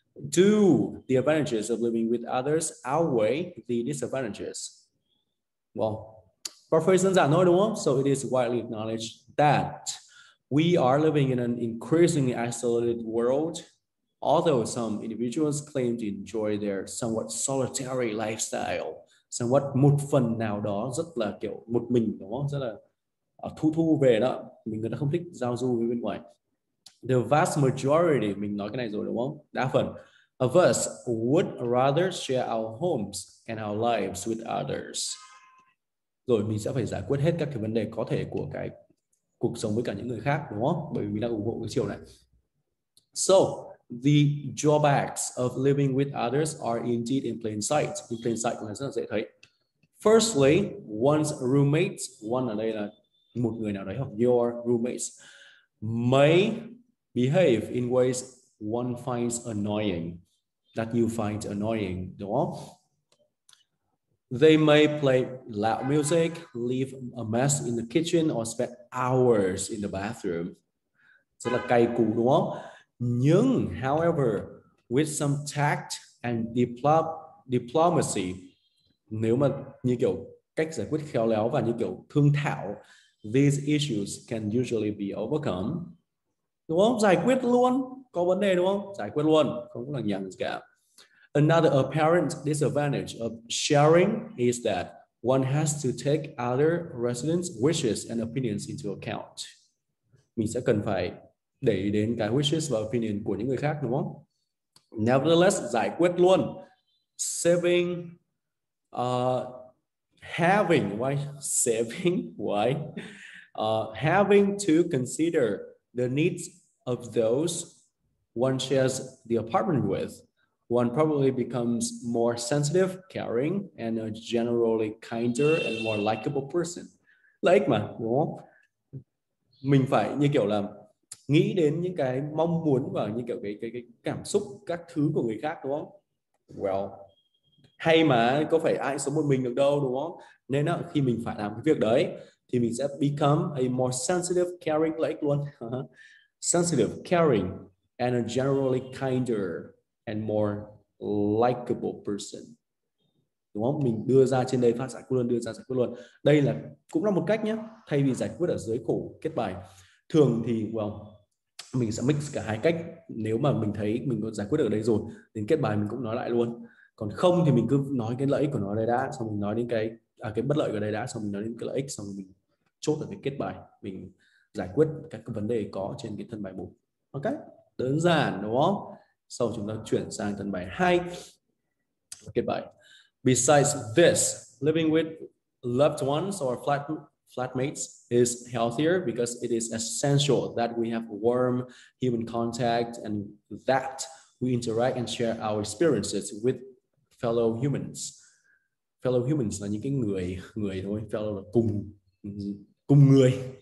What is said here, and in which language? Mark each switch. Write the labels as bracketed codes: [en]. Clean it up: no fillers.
[en] Do the advantages of living with others outweigh the disadvantages? Well, professions are not one, so it is widely acknowledged that we are living in an increasingly isolated world. Although some individuals claim to enjoy their somewhat solitary lifestyle, [vi] somewhat một phần nào đó rất là kiểu một mình đúng không? Rất là thu về đó. mình người ta không thích giao du với bên ngoài. [en] The vast majority, [vi] mình nói cái này rồi đúng không? Đa phần. [en] Of us would rather share our homes and our lives with others. [vi] Rồi mình sẽ phải giải quyết hết các cái vấn đề có thể của cái cuộc sống với cả những người khác đúng không? Bởi vì mình đang ủng hộ cái chiều này. [en] So, the drawbacks of living with others are indeed in plain sight. In plain sight [vi] là rất là dễ thấy. [en] Firstly, one's roommates, one [vi] ở đây là một người nào đấy hoặc [en] your roommates, may behave in ways one finds annoying, that you find annoying, [vi] đúng không? [en] They may play loud music, leave a mess in the kitchen, or spend hours in the bathroom. [vi] Rất là cay cú, đúng không? Nhưng, [en] however, with some tact and diplomacy, [vi] nếu mà như kiểu cách giải quyết khéo léo và như kiểu thương thảo, [en] these issues can usually be overcome. [vi] Đúng không? Giải quyết luôn. Có vấn đề đúng không? Giải quyết luôn. Không có lằng nhằng cả. [en] Another apparent disadvantage of sharing is that one has to take other residents' wishes and opinions into account. [vi] Mình sẽ cần phải để ý đến cái wishes và opinion của những người khác đúng không? Nevertheless, giải quyết luôn. [en] Saving, having, why saving, why? Having to consider the needs of those one shares the apartment with, one probably becomes more sensitive, caring, and a generally kinder and more likable person. [vi] Like mà, đúng không? Mình phải như kiểu là nghĩ đến những cái mong muốn và như kiểu cái cảm xúc, các thứ của người khác, đúng không? Well, hay mà, có phải ai sống một mình được đâu, đúng không? Nên đó, khi mình phải làm cái việc đấy, thì mình sẽ [en] become a more sensitive, caring, like [vi] luôn. [en] Sensitive, caring, and a generally kinder and more likable person. [vi] Đúng không? Mình đưa ra trên đây phát giải quyết luôn, đưa ra giải quyết luôn. Đây là cũng là một cách nhé. Thay vì giải quyết ở dưới khổ kết bài. Thường thì well, mình sẽ mix cả hai cách. Nếu mà mình thấy mình có giải quyết được ở đây rồi, đến kết bài mình cũng nói lại luôn. Còn không thì mình cứ nói cái lợi ích của nó đây đã, xong mình nói đến cái bất lợi của đây đã, xong mình nói đến cái lợi ích, xong mình chốt ở cái kết bài. Mình giải quyết các vấn đề có trên cái thân bài 1. Ok, đơn giản đúng không? Sau chúng ta chuyển sang thân bài 2. Kết bài. [en] Besides this, living with loved ones or flatmates is healthier because it is essential that we have warm human contact and that we interact and share our experiences with fellow humans. [vi] Fellow humans là những cái người thôi, fellow là cùng người.